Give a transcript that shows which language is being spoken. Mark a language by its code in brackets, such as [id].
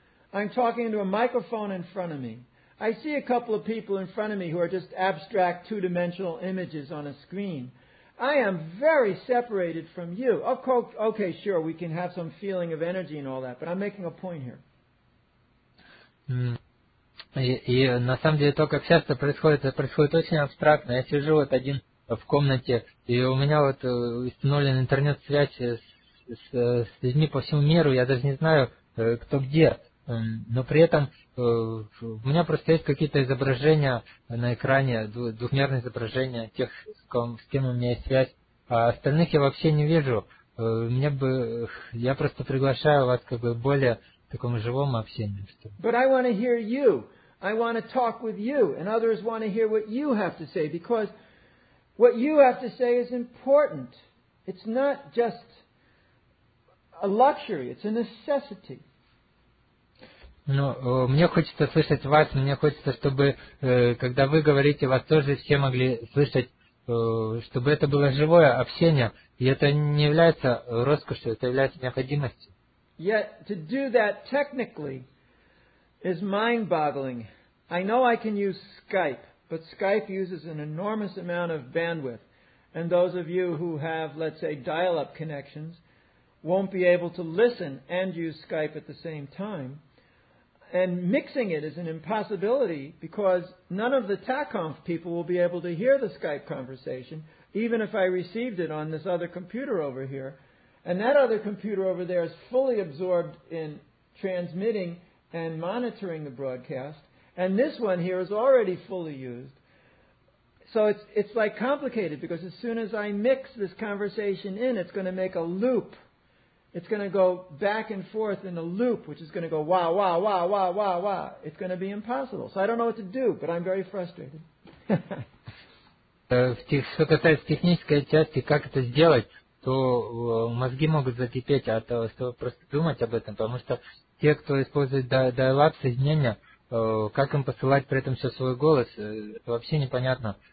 [en] I'm talking into a microphone in front of me. I see a couple of people in front of me who are just abstract two-dimensional images on a screen. I am very separated from you. Okay, sure, we can have some feeling of energy and all that, but I'm making a point here. [ru] И на самом деле то, как часто происходит, это происходит очень абстрактно. Я сижу вот один в комнате, и у меня вот установлен интернет-связь с людьми по всему миру. Я даже не знаю, кто где. Но при этом у меня просто есть какие-то изображения на экране, двухмерные изображения тех, с кем у меня есть связь. А остальных я вообще не вижу. Я просто приглашаю вас как бы более такому живому общению. [en] But I want to hear you. I want to talk with you. And others want to hear what you have to say. Because what you have to say is important. It's not just a luxury. It's a necessity. [ru] Ну, мне хочется слышать вас, мне хочется, чтобы, когда вы говорите, вас тоже все могли слышать, чтобы это было живое общение, и это не является роскошью, это является необходимостью. [en] Yet to do that technically is mind-boggling. I know I can use Skype, but Skype uses an enormous amount of bandwidth, and those of you who have, let's say, dial-up connections won't be able to listen and use Skype at the same time. And mixing it is an impossibility because none of the TACOMF people will be able to hear the Skype conversation, even if I received it on this other computer over here. And that other computer over there is fully absorbed in transmitting and monitoring the broadcast. And this one here is already fully used. So it's like complicated because as soon as I mix this conversation in, it's going to make a loop. It's going to go back and forth in a loop, which is going to go wah, wah, wah, wah, wah, wah. It's going to be impossible. So I don't know what to do, but I'm very frustrated. [ru] Что касается технической части, как это сделать, то мозги могут закипеть от того, чтобы просто думать об этом, потому что те, кто использует dial-up соединение, как им посылать при этом все свой голос, это вообще непонятно.